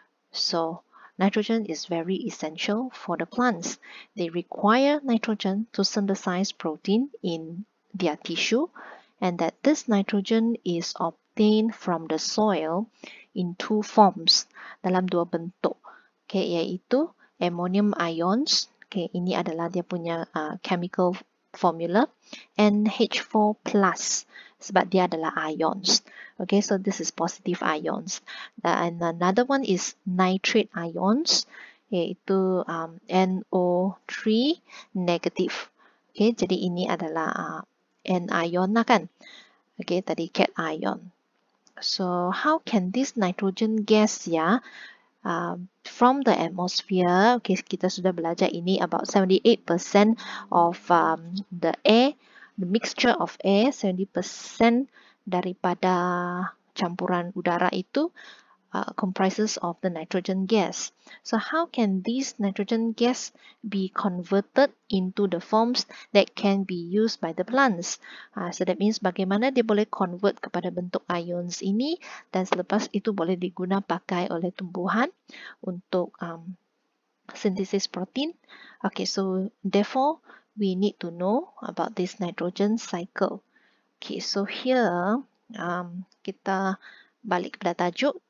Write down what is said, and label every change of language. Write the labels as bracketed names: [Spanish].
[English] So nitrogen is very essential for the plants. They require nitrogen to synthesize protein in their tissue, and that this nitrogen is obtained from the soil in two forms, [Malay] dalam dua bentuk. [English] Okay, yaitu ammonium ions. [Malay] Okay, ini adalah dia punya [English] chemical formula, and H4+. [Malay] Sebab dia adalah ions. [English] Okay, so this is positive ions. And another one is nitrate ions, yaitu NO3 negative. [Malay] Okay, jadi ini adalah anion lah kan? [English] Okay, tadi cation. So, how can this nitrogen gas ya, from the atmosphere, okay, [Malay] kita sudah belajar ini [English] about 78% of the air, the mixture of air, [Malay] 70% daripada campuran udara itu [English] comprises of the nitrogen gas. So how can these nitrogen gas be converted into the forms that can be used by the plants? So that means [Malay] bagaimana dia boleh convert kepada bentuk ions ini dan selepas itu boleh digunapakai oleh tumbuhan untuk synthesis protein. [English] Okay, so therefore, we need to know about this nitrogen cycle. Okay, so here, [Malay] kita balik kepada tajuk.